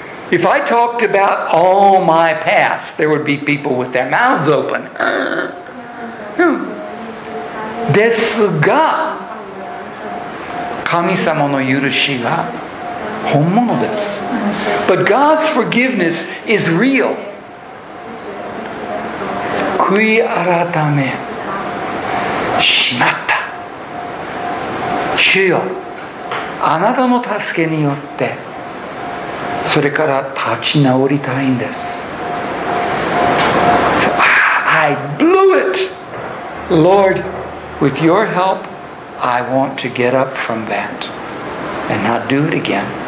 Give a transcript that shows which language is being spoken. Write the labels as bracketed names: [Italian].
[English] If I talked about all my past, there would be people with their mouths open. [Japanese] ですが、神様の許しが本物です。 [English] But God's forgiveness is real. [Japanese] 悔い改めしまった。主よ、あなたの助けによって、それから立ち直りたいんです。 [English] I blew it! Lord, with your help, I want to get up from that and not do it again.